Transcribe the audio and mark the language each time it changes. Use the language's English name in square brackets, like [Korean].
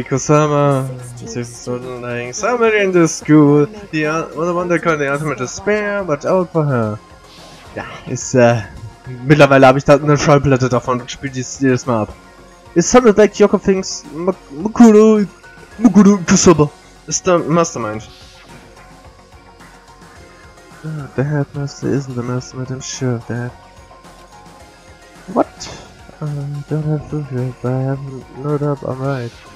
[English] Ikusaba, 16th student lying somewhere in the school. The other one that called the ultimate despair, watch out for her. [German] Ja, ist mittlerweile habe ich da eine Schallplatte davon und spiele die jedes Mal ab. [English] It sounded like Yoko thinks Mukuro Ikusaba is the mastermind. The headmaster isn't the mastermind, I'm sure of that. What? Don't have proof yet, but I have no doubt I'm right.